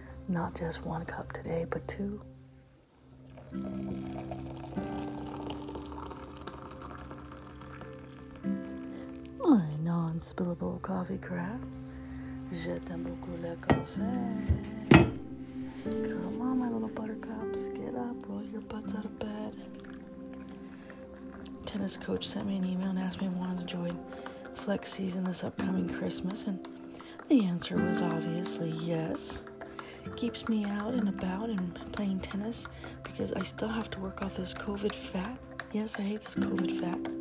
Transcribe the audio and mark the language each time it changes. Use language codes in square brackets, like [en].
[en] Not just one cup today, but two. My non-spillable coffee craft. [fr] Je t'aime beaucoup le café. [en] Come on, my little buttercups. Get up, roll your butts out of bed. Tennis coach sent me an email and asked me if I wanted to join flex season this upcoming Christmas. And the answer was obviously yes. Keeps me out and about and playing tennis because I still have to work off this COVID fat. Yes, I hate this COVID fat.